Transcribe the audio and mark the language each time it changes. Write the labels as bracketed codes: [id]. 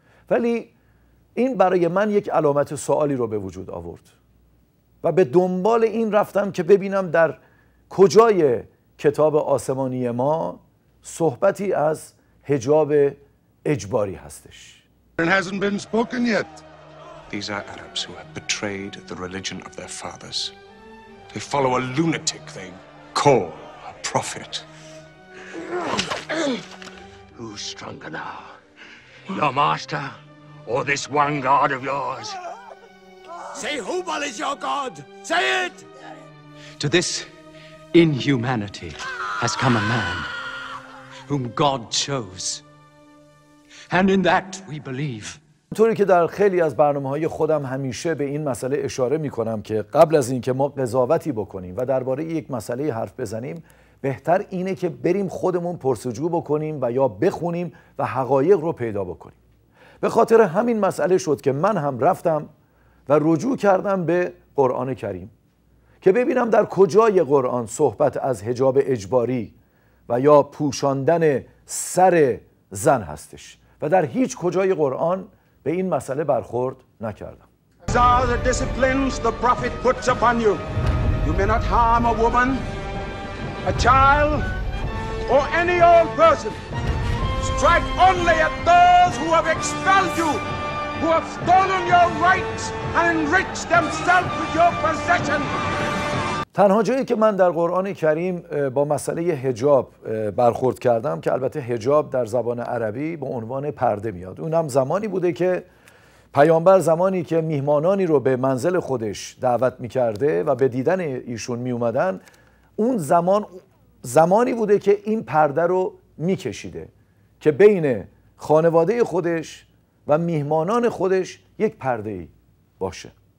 [fa] ولی این برای من یک علامت سوالی رو به وجود آورد و به دنبال این رفتم که ببینم در کجای کتاب آسمانی ما صحبتی از حجاب اجباری هستش. [en] It hasn't been spoken yet. These are Arabs who have betrayed the religion of their fathers. They follow a lunatic they call a prophet. Who's stronger now? Your master or this one god of yours? Say, Hubal is your god. Say it! To this inhumanity has come a man whom God chose. And in that we believe. [fa] طوری که در خیلی از برنامه‌های خودم همیشه به این مسئله اشاره می‌کنم که قبل از اینکه ما قضاوتی بکنیم و درباره یک مسئله حرف بزنیم، بهتر اینه که بریم خودمون پرسجو بکنیم و یا بخونیم و حقایق رو پیدا بکنیم. به خاطر همین مسئله شد که من هم رفتم و رجوع کردم به قرآن کریم که ببینم در کجای قرآن صحبت از حجاب اجباری و یا پوشاندن سر زن هستش و در هیچ کجای قرآن به این مسئله برخورد نکردم. [en] The disciplines the prophet puts upon you. You may not harm a woman, a child, or any old person. Strike only at those who have expelled you, who have stolen your rights and enriched themselves with your possession. [fa] تنها جایی که من در قرآن کریم با مسئله حجاب برخورد کردم، که البته حجاب در زبان عربی به عنوان پرده میاد، اونم زمانی بوده که پیامبر زمانی که میهمانانی رو به منزل خودش دعوت میکرده و به دیدن ایشون میومدن، اون زمانی بوده که این پرده رو میکشیده که بین خانواده خودش و میهمانان خودش یک پرده ای باشه.